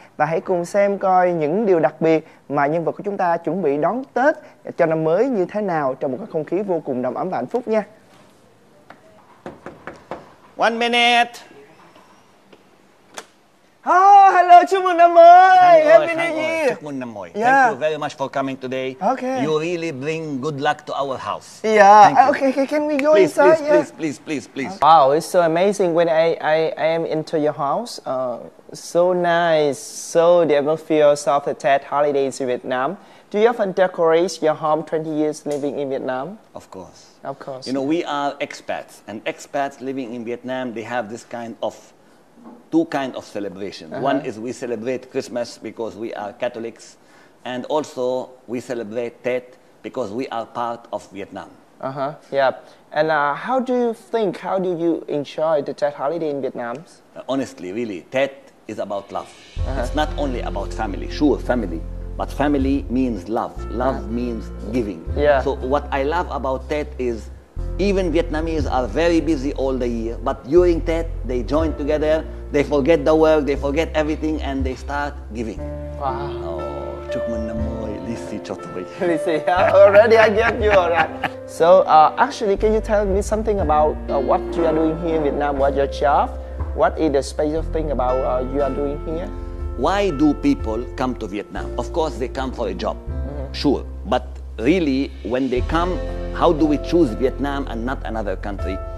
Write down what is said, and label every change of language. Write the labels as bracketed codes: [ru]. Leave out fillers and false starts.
[vi] Và hãy cùng xem coi những điều đặc biệt mà nhân vật của chúng ta chuẩn bị đón Tết cho năm mới như thế nào trong một cái không khí vô cùng đầm ấm và hạnh phúc nha. [en] One minute. [vi] Oh, hello, chúc mừng năm mới. [en] Happy New Year. [vi] Chúc mừng năm mới. [en] Thank you very much for coming today. Okay. You really bring good luck to our house. Yeah. Thank you. Okay, can we go please, inside? Please, please, please, please, please. Okay. Wow, it's so amazing when I am into your house. So nice. So the atmosphere of the Tet holidays in Vietnam. Do you often decorate your home 20 years living in Vietnam? Of course. Of course. You know, we are expats, and expats living in Vietnam, they have this kind of two kinds of celebrations. Uh-huh. One is we celebrate Christmas because we are Catholics, and also we celebrate Tet because we are part of Vietnam. Uh-huh. Yeah. And how do you think, how do you enjoy the Tet holiday in Vietnam? Honestly, really, Tet is about love. Uh-huh. It's not only about family. Sure, family. But family means love. Love uh-huh. means giving. Yeah. So what I love about Tet is even Vietnamese are very busy all the year, but during Tet, they join together, they forget the work, they forget everything, and they start giving. Wow. [vi] Oh, chúc mừng năm mới, Lì xì cho tôi. [en] Lì xì, already I get you, alright. So, actually, can you tell me something about what you are doing here in Vietnam, what your job? What is the special thing about you are doing here? Why do people come to Vietnam? Of course, they come for a job, mm-hmm. sure. But really, when they come, how do we choose Vietnam and not another country?